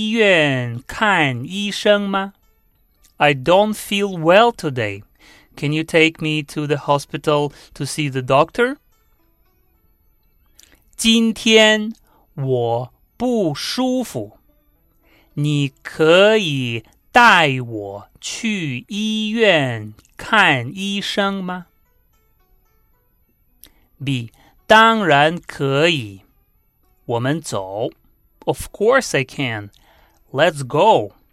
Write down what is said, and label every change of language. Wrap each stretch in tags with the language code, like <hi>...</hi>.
<zh>今天我不舒服。你可以带我去医院看医生吗?</zh> <en>I don't feel well today. Can you take me to the hospital to see the doctor?</en> <zh>今天我不舒服。你可以带我去医院看医生吗?</zh> <en>B.</en> <zh>当然可以。我们走。</zh> <en>Of course I can. Let's go.</en>